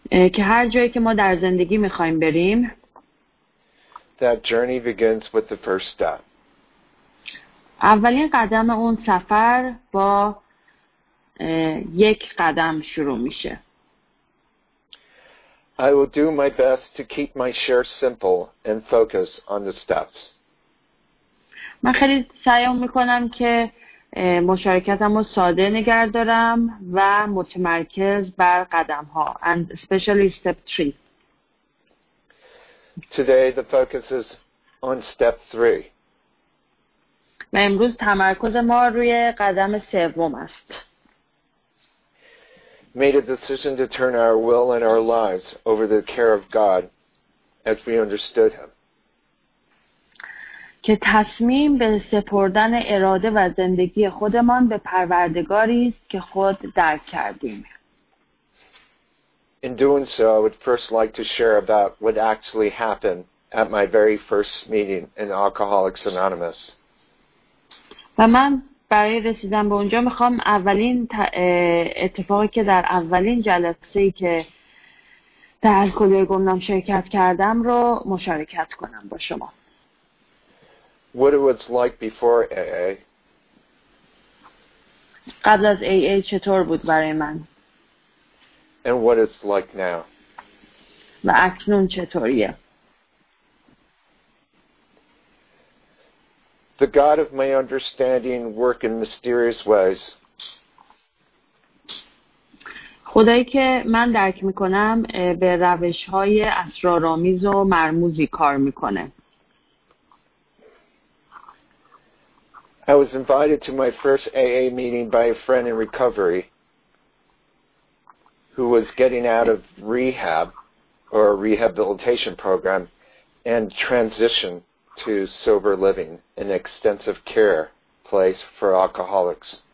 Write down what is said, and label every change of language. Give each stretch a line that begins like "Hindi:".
Persian: که هر جایی که ما در زندگی می‌خوایم بریم.
English: That journey begins with the first step.
Persian: اولین قدم اون سفر با یک قدم شروع میشه.
English: I will do my best to keep my share simple and focus on the steps.
Persian: من خیلی سعی میکنم که مشارکتم رو ساده نگه دارم و متمرکز بر قدم ها.
English: And especially step 3. Today the focus is on step 3.
Persian: و امروز تمرکز ما روی قدم سوم است.
English: Made a decision to turn our will and our lives over the care of God as we understood him.
Persian: که تصمیم به سپردن اراده و زندگی خودمان به پروردگاری است که خود درک کردیم.
English: In doing so, I would first like to share about what actually happened at my very first meeting in Alcoholics Anonymous.
Persian: و من برای رسیدن به اونجا میخوام اولین اتفاقی که در اولین جلسه‌ای که در الکلیه گمنام شرکت کردم رو مشارکت کنم با شما.
English: What it was like before AA.
Persian: قبل از AA چطور بود برای من؟
English: And what it's like now.
Persian: و اکنون چطوریه؟
English: The God of my understanding work in mysterious ways.
Persian: خدایی که من درک میکنم به روش‌های اسرارآمیز و مرموزی کار میکنه.
English: I was invited to my first AA meeting by a friend in recovery who was getting out of rehab or a rehabilitation program and transition to sober living, an extensive care place for alcoholics.